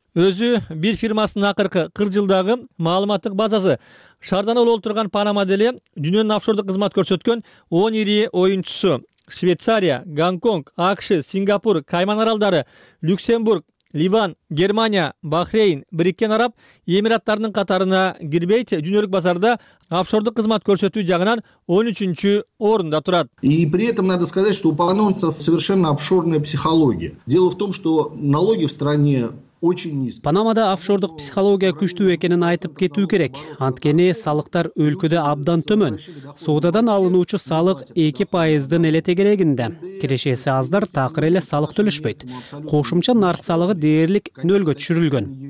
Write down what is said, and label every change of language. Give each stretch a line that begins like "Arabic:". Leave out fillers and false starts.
Kyrgyz: Өзү бир фирмасынын акыркы 40 жылдагы маалыматтык базасы шаардан улуу турган Панама деле дүйнөнүн офшордук кызмат көрсөткөн 10 ири оюнчусу: Швейцария, Гонконг, АКШ, Сингапур, Кайман аралдары, Люксембург, Ливан, Германия, Бахрейн, Бириккен Араб Эмираттарынын катарына кирбейт. Дүйнөлүк базарда офшордук кызмат көрсөтүү жагынан 13-чү орунда турат.
Russian: И при этом надо сказать, что у панамцев совершенно офшорная психология. Дело в том, что налоги в стране очень низкие.
Kyrgyz: Панамада офшордук психология күчтүү экенин айтып кетүү керек. Анткени салыктар өлкөдө абдан төмөн. Соодадан алынуучу салык 2%дын эле тегерегинде. Кирешеси аздар, такыр эле салык төлөшпөйт. Кошумча нарк салыгы дээрлик нөлгө түшүрүлгөн.